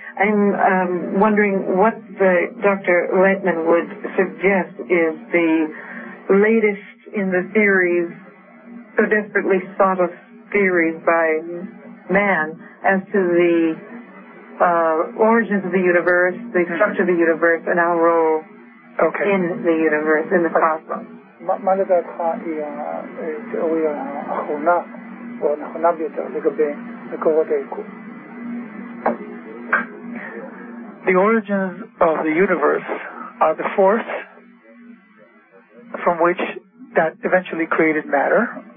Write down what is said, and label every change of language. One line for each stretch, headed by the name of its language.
English: I'm wondering what the Dr. Lightman would suggest is the latest in the theories, so desperately sought of theories by man, as to the origins of the universe, the structure of the universe, and our role in the universe, in the cosmos.
Hebrew: מה לדעתך היא התיאוריה האחרונה או הנכונה ביותר לגבי מקורות היקום?
English: The origins of the universe are the force from which that eventually created matter.